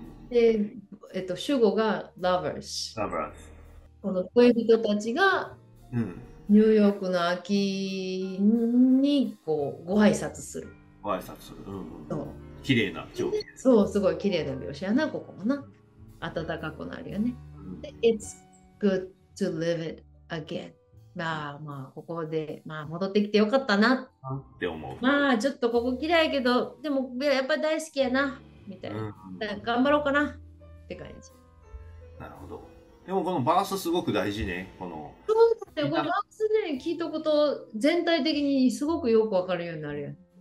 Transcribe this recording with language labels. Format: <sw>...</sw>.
<ja>で、主語が Lovers。この恋人たちがニューヨークの秋にこうご挨拶する。ご挨拶する。うん、そう、綺麗な状況。そう、すごい綺麗な描写やな、ここもな。暖かくなるよね。で、</ja> <en>It's good to live it again。</en> <ja>まあまあここで、まあ、戻ってきてよかったなって思う。まあちょっとここ嫌いけどでもやっぱ大好きやなみたいな、うん、だから頑張ろうかなって感じ。なるほど。でもこのバースすごく大事ね。このそうだね、このバースで聞いたこと全体的にすごくよく分かるようになるやん。</ja>